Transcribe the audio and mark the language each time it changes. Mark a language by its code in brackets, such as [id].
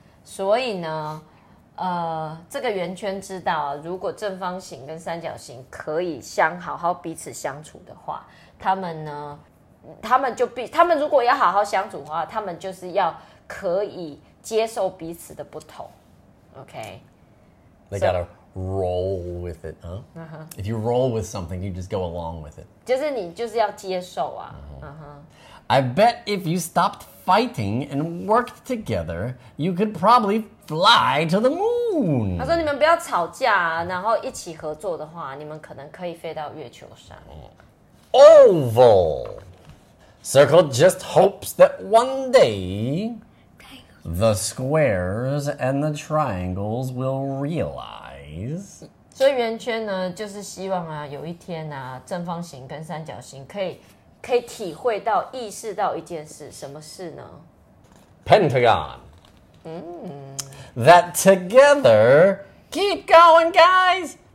[zh] 所以呢，这个圆圈知道，如果正方形跟三角形可以相好好彼此相处的话，他们呢，他们如果要好好相处的话，他们就是要可以接受彼此的不同。 [en] OK， they got roll with it, huh? Uh-huh. If you roll with something, you just go along with it. [zh] 就是你就是要接受啊。 [en] I bet if you stopped fighting and worked together, you could probably fly to the moon. [zh] 他说你们不要吵架，然后一起合作的话，你们可能可以飞到月球上。 [en] Oval. Circle just hopes that one day the squares and the triangles will realize. [zh] 所以圆圈呢，就是希望啊，有一天啊，正方形跟三角形可以体会到、意识到一件事，什么事呢 [en] ？Pentagon. 嗯、That together, keep going, guys.